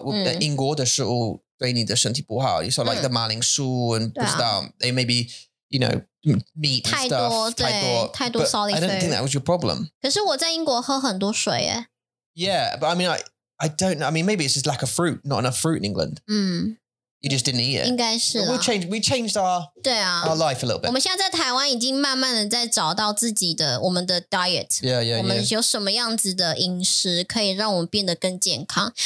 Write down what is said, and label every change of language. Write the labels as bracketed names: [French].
[English] And [Chinese] 你说因果的食物对你的身体不好. [English] You saw like the 马铃薯 and [Chinese] 不知道, [English] they maybe, you know, meat and [Chinese] 太多, [English] stuff. [Chinese] 对, 太多 [English] solid food. I don't think that was your problem. [Chinese] 可是我在英国喝很多水耶。 [English] Yeah, but I mean, I don't know. I mean, maybe it's just lack of fruit, not enough fruit in England. You just didn't eat it. [Chinese] 应该是啦。 [English] We changed our, [Chinese] 对啊, [English] our life a little bit. [Chinese] 我们现在在台湾已经慢慢的在找到自己的, 我们的 diet. [English] Yeah, yeah, yeah. [Chinese] 我们有什么样子的饮食 可以让我们变得更健康。